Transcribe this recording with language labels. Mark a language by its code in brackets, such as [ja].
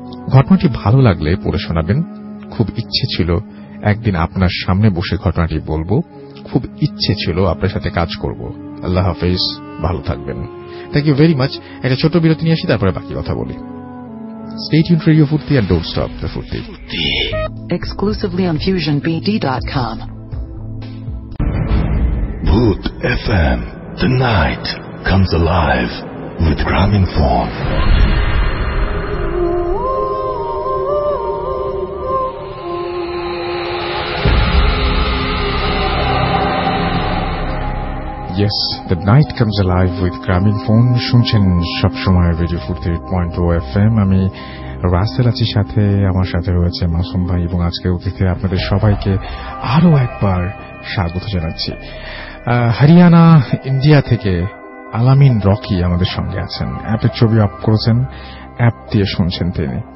[bn] ঘটনাটি ভালো লাগলে পড়ে শোনাবেন, খুব ইচ্ছে ছিল একদিন আপনার সামনে বসে ঘটনাটি বলব, খুব ইচ্ছে ছিল আপনার সাথে কাজ করব। আল্লাহ হাফেজ, ভালো থাকবেন, [en] Thank you very much. [bn] একটা ছোট বিরতি নিয়ে আসি, তারপরে বাকি কথা বলি। [en] Stay tuned for your Furti and don't stop the Furti. Exclusively on FusionBD.com. Bhoot FM. The night comes alive with Gramminform. Yes, the night comes alive with Gramminform. [bn] শুনছেন সবসময় রেডিও ফুর্তি 88.0 FM। আমি রাসেল আছি, সাথে আমার সাথে রয়েছে মাসুম ভাই, এবং আজকের অতিথি আপনাদের সবাইকে আরো একবার স্বাগত জানাচ্ছি। হরিয়ানা ইন্ডিয়া থেকে আলামিন রকি আমাদের সঙ্গে আছেন, অ্যাপের ছবি আপ করেছেন, অ্যাপ দিয়ে শুনছেন তিনি।